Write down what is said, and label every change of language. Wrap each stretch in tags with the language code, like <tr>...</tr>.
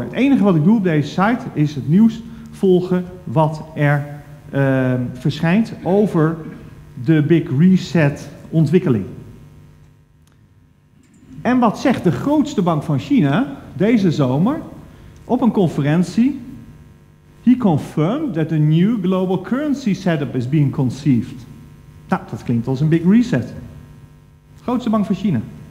<nl>Het enige wat ik doe op deze site is het nieuws volgen wat er verschijnt over de Big Reset ontwikkeling. En wat zegt de grootste bank van China deze zomer op een conferentie?</nl> <en>He confirmed that a new global currency setup is being conceived.</en> <nl>Nou, dat klinkt als een Big Reset. Grootste bank van China.</nl>